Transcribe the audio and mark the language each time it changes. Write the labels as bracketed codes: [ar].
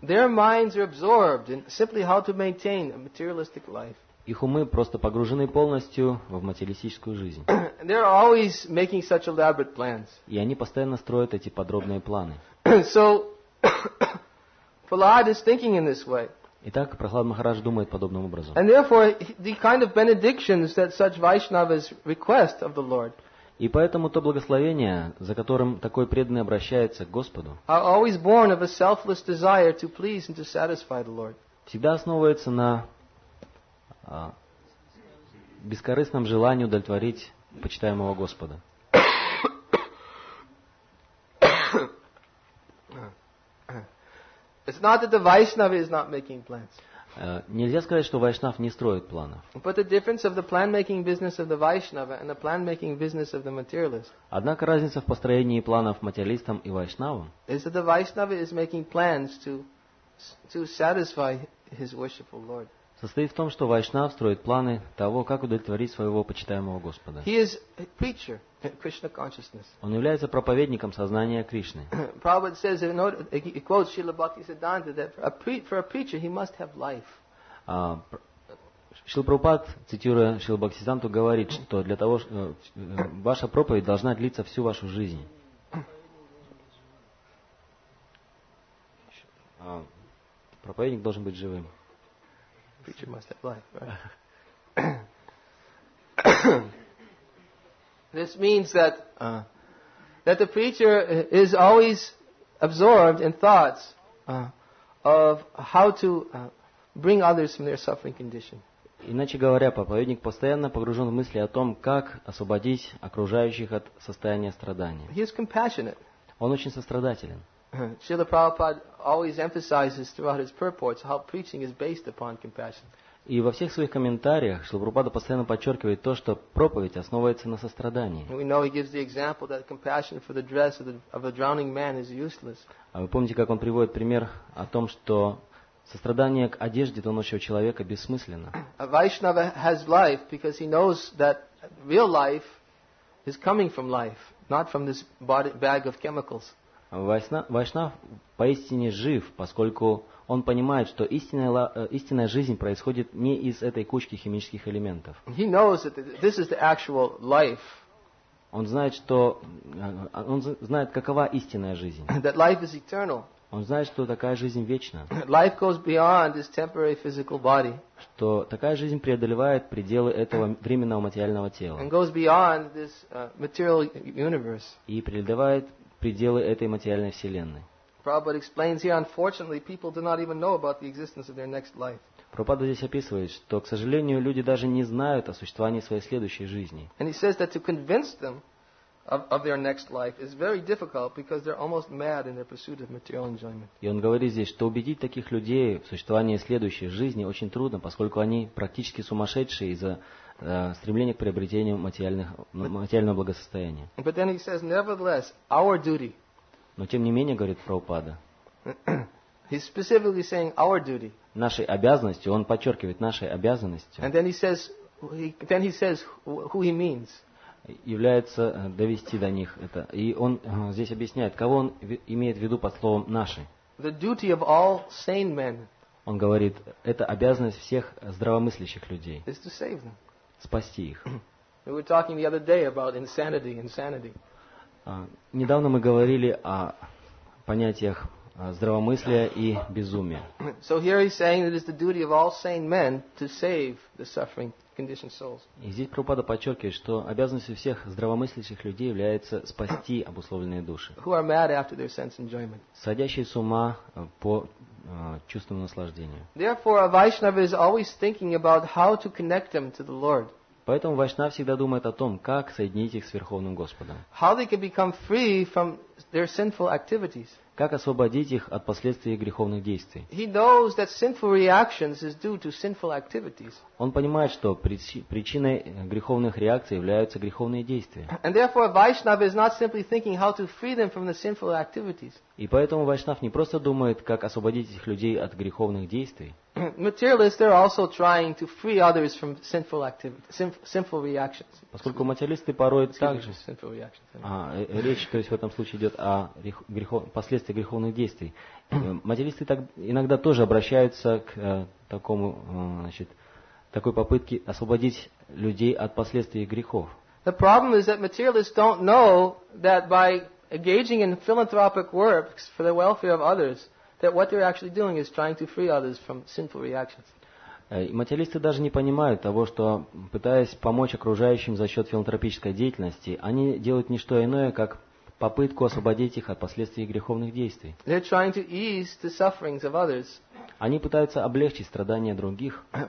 [en] Their minds are absorbed in simply how to maintain a materialistic life. [ru] Их умы просто погружены полностью в материалистическую жизнь. [en] They're always making such elaborate plans. [ru] И они постоянно строят эти подробные планы. [en] So, Prahlad is thinking in this way. [ru] Итак, Прохлад Махарадж думает подобным образом. [en] And therefore, the kind of benedictions that such Vaishnavas request of the Lord. [ru] И поэтому то благословение, за которым такой преданный обращается к Господу, [en] are always born of a selfless desire to please and to satisfy the Lord. [ru] Всегда основывается на бескорыстном желании удовлетворить почитаемого Господа. [en] It's not that the Vaishnava is not making plans. [ru] Нельзя сказать, что Вайшнав не строит планов. [en] But the difference of the plan-making business of the Vaishnava and the plan-making business of the materialist. [ru] Однако разница в построении планов материалистам и Вайшнавам. [en] Is that the Vaishnava is making plans to satisfy his worshipful Lord. [ru] Состоит в том, что Вайшнав строит планы того, как удовлетворить своего почитаемого Господа. [en] He is a preacher in Krishna consciousness. [ru] Он является проповедником сознания Кришны. [en] Prabhupada says, he quotes Srila Bhakti Siddhanta, that for a preacher he must have life. [ru] Шрила Прабхупад, цитируя Шрила Бхакти Сиддханту, говорит, что для того, ваша проповедь должна длиться всю вашу жизнь. Проповедник должен быть живым. [en] Preacher must have life. This means that that the preacher is always absorbed in thoughts of how to bring others from their suffering condition. [ru] Иначе говоря, проповедник постоянно погружен в мысли о том, как освободить окружающих от состояния страдания. [en] He is compassionate. [ru] Он очень сострадателен. [en] Srila Prabhupada always emphasizes throughout his purports how preaching is based upon compassion. [ru] И во всех своих комментариях Шрила Прабхупада постоянно подчеркивает то, что проповедь основывается на сострадании. [en] We know he gives the example that compassion for the dress of a drowning man is useless. [ru] А вы помните, как он приводит пример о том, что сострадание к одежде тонущего человека бессмысленно? [en] A Vaishnava has life because he knows that real life is coming from life, not from this bag of chemicals. [ru] Вайшнав поистине жив, поскольку он понимает, что истинная жизнь происходит не из этой кучки химических элементов. [en] He knows that this is the actual life. [ru] Он знает, каково истинная жизнь. [en] That life is eternal. [ru] Он знает, что такая жизнь вечна. [en] Life goes beyond this temporary physical body. [ru] Что такая жизнь преодолевает пределы этого временного материального тела. [en] And goes beyond this material universe. [ru] И преодолевает пределы этой материальной вселенной. [en] Prabhupada explains here, unfortunately, people do not even know about the existence of their next life. [ru] Прабхупада здесь описывает, что, к сожалению, люди даже не знают о существовании своей следующей жизни. [en] And he says that to convince them of their next life is very difficult because they're almost mad in their pursuit of material enjoyment. [ru] И он говорит здесь, что убедить таких людей в существовании следующей жизни очень трудно, поскольку они практически сумасшедшие из-за стремления к приобретению материального благосостояния. [en] But then he says, nevertheless, our duty. [ru] Но тем не менее, говорит Прабхупада, [en] he's specifically saying our duty. [ru] Нашей обязанностью, он подчеркивает нашей обязанностью. [en] And then he says who he means. [ru] Является довести до них это. И он здесь объясняет, кого он имеет в виду под словом «наши». [en] The duty of all sane men. [ru] Он говорит, это обязанность всех здравомыслящих людей. [en] Is to save them. [ru] Спасти их. [en] We were talking the other day about insanity. [ru] Недавно мы говорили о понятиях здравомыслия и безумия. [en] So here he's saying that it is the duty of all sane men to save the suffering conditioned souls. [ru] И здесь Прабхупада подчеркивает, что обязанностью всех здравомыслящих людей является спасти обусловленные души. [en] Who are mad after their sense enjoyment. [ru] Сходящие с ума по чувственному наслаждению. [en] Therefore, a Vaishnava is always thinking about how to connect them to the Lord. [ru] Поэтому Вайшнав всегда думает о том, как соединить их с Верховным Господом. [en] How they can become free from their sinful activities. [ru] Как освободить их от последствий их греховных действий. [en] He knows that sinful reactions is due to sinful activities. [ru] Он понимает, что причиной греховных реакций являются греховные действия. [en] And therefore, Vaishnava is not simply thinking how to free them from the sinful activities. [ru] И поэтому Вайшнав не просто думает, как освободить этих людей от греховных действий. [en] Materialists are also trying to free others from sinful activities, sinful reactions. [ru] Поскольку материалисты порой также [en] sinful reactions. [ru] Речь, то есть в этом случае идет о последствиях греховных действий. Материалисты так иногда тоже обращаются к такой попытке освободить людей от последствий грехов. [en] The problem is that materialists don't know that by engaging in philanthropic works for the welfare of others, that what they're actually doing is trying to free others from sinful reactions. [ru] Материалисты даже не понимают того, что пытаясь помочь окружающим за счет филантропической деятельности, они делают не что иное, как попытку освободить их от последствий греховных действий. [en] They're trying to ease the sufferings of others. [ru] Они пытаются облегчить страдания других,